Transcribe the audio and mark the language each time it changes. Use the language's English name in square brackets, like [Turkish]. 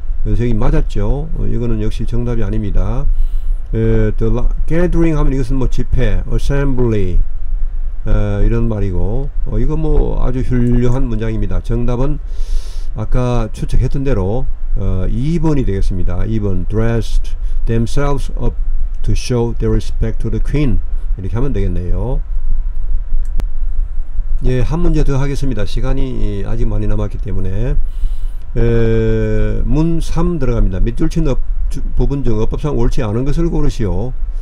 [Korean] 여기 맞았죠. 이거는 역시 정답이 아닙니다. The gathering 하면 이것은 뭐 집회, assembly 이런 말이고, 이거 뭐 아주 훌륭한 문장입니다. 정답은 아까 추측했던 대로 2번이 되겠습니다. [English] 2번, dressed themselves up to show their respect to the queen. [Korean] 이렇게 하면 되겠네요. 예, 한 문제 더 하겠습니다. 시간이 아직 많이 남았기 때문에. 문 3 들어갑니다. 밑줄 친 부분 중 어법상 옳지 않은 것을 고르시오.